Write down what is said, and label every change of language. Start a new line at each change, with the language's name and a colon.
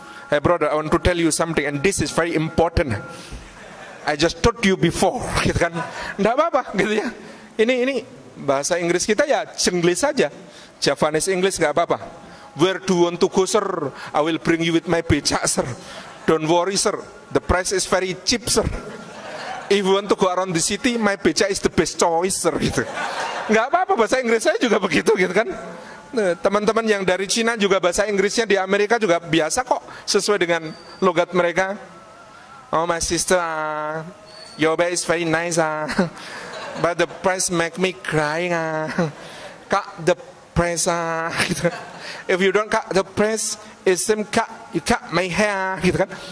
English: Hey brother, I want to tell you something and this is very important. I just told you before,
Indonesian: gitu kan. Gak apa-apa gitu ya. Ini bahasa Inggris kita ya jenglis saja.
English: Javanese English
Indonesian: gak apa-apa.
English: Where do you want to go sir? I will bring you with my becak sir. Don't worry sir, the price is very cheap sir. If you want to go around the city, my becak is the best choice sir,
Indonesian: gitu. Gak apa-apa, bahasa Inggris saya juga begitu gitu kan. Nah, teman-teman yang dari Cina juga bahasa Inggrisnya di Amerika juga biasa kok, sesuai dengan logat mereka.
English: Oh my sister, your bag is very nice ah, but the price make me crying ah, cut the price ah,
Indonesian: gitu.
English: If you don't cut the price, it seem cut, you cut my hair ah,
Indonesian: gitu kan.